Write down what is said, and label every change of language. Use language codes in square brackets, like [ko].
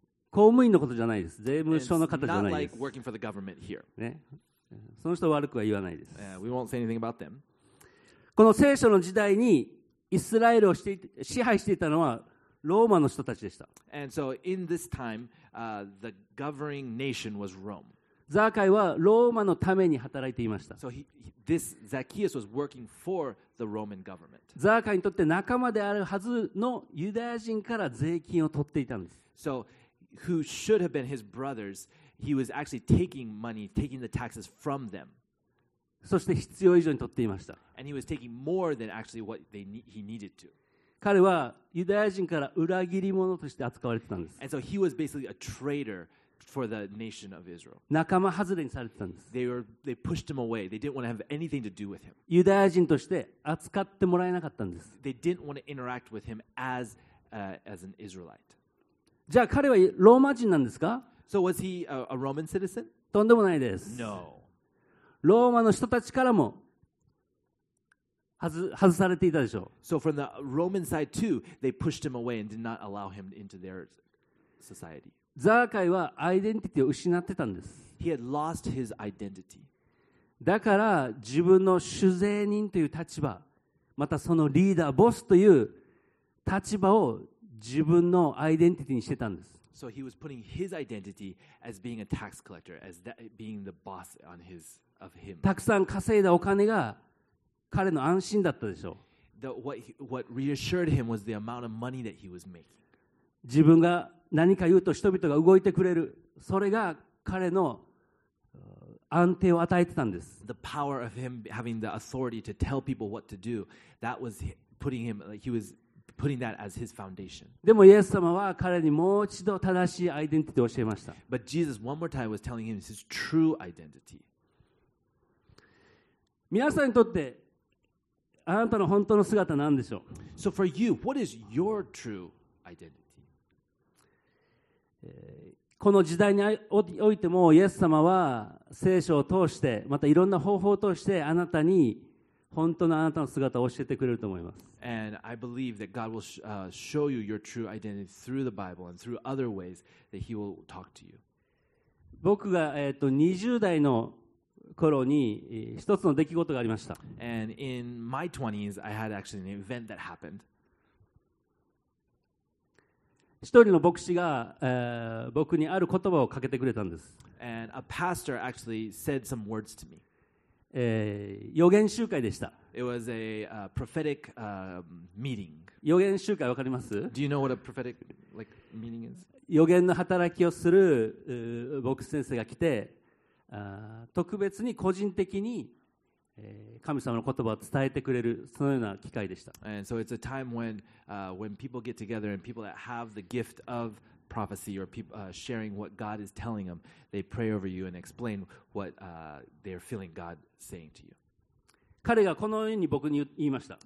[ja] 公務員のことじゃないです。税務署の方じゃないです。 [en] Not like working for the government here. ね。 [ja] その人は悪くは言わないです。 [en] Yeah, we won't say anything about them. [ja] この聖書の時代にイスラエルをして支配していたのはローマの人たちでした。 [en] And so in this time, the governing nation was Rome. [ja] ザーカイはローマのために働いていました。 [en] So this Zacchaeus was working for the Roman government. [ja] ザーカイにとって仲間であるはずのユダヤ人から税金を取っていたんです。 [en] So who should have been his brothers? He was actually taking money, taking the taxes from them. [ja] そして必要以上に取っていました。 [en] And he was taking more than actually what he needed to. [ja] 彼はユダヤ人から裏切り者として扱われてたんです。 [en] And so he was basically a traitor for the nation of Israel. [ja] 仲間外れにされてたんです。 [en] They pushed him away. They didn't want to have anything to do with him. [ja] ユダヤ人として扱ってもらえなかったんです。 [en] They didn't want to interact with him as an Israelite. [ja] じゃあ彼はローマ人なんですか？ [en] So was he a Roman citizen? [ja] とんでもないです。 [en] No. [ja] ローマの人たちからも外されていたでしょう。 [en] So from the Roman side too, they pushed him away and did not allow him into their society. [ja] ザーカイはアイデンティティを失ってたんです。 [en] He had lost his identity. [ja] だから自分の主税人という立場、またそのリーダー、ボスという立場を自分のアイデンティティにしてたんです。 [en] So he was putting his identity as being a tax collector, as that being the boss on his of him. [ja] たくさん稼いだお金が彼の安心だったでしょう。 [en] What reassured him was the amount of money that he was making. [ja] 自分が何か言うと人々が動いてくれる、それが彼の安定を与えてたんです。 [en] The power of him having the authority to tell people what to do, that was putting him, like he was. Putting that as his foundation. [ja] でもイエス様は彼にもう一度正しいアイデンティティを教えました。 [en] But Jesus one more time was telling him his true identity. [ja] 皆さんにとってあなたの本当の姿は何でしょう。 [en] So for you, what is your true identity? [ja] この時代においてもイエス様は聖書を通してまたいろんな方法を通してあなたに本当のあなたの姿を教えてくれると思います。 [en] And I believe that God will show you your true identity through the Bible and through other ways that He will talk to you. [ja] 僕が20代の頃に一つの出来事がありました。 [en] And in my 20s, I had actually an event that happened. [ja] 一人の牧師が僕にある言葉をかけてくれたんです。 [en] And a pastor actually said some words to me. [ja] 予言集会でした。 [en] It was a prophetic meeting. [ja] 予言集会わかります？ [en] Do you know what a prophetic like meeting is? [ja] 予言の働きをする牧師先生が来て、特別に個人的に、神様の言葉を伝えてくれるそのような機会でした。 [en] And so it's a time when people get together and people that have the gift of prophecy or sharing what God is telling them, they pray over you and explain what they're feeling God saying to you. [ja] 彼がこのように僕に言いました。